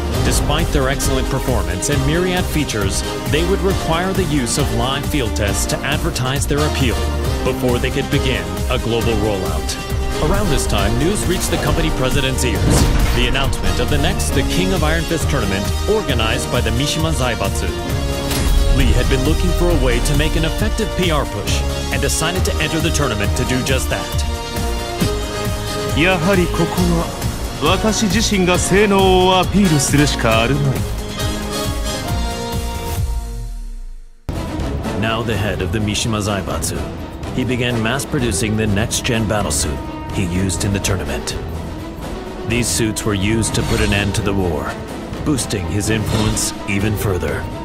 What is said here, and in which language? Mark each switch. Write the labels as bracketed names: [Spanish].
[English] Despite their excellent performance and myriad features, they would require the use of live field tests to advertise their appeal before they could begin a global rollout. Around this time, news reached the company president's ears. The announcement of the next The King of Iron Fist tournament organized by the Mishima Zaibatsu. Li had been looking for a way to make an effective PR push. And decided to enter the tournament to do just that. [Japanese] やはりここは私自身が性能をアピールするしかあるまい。 [English] Now the head of the Mishima Zaibatsu, he began mass producing the next gen battle suit he used in the tournament. These suits were used to put an end to the war, boosting his influence even further.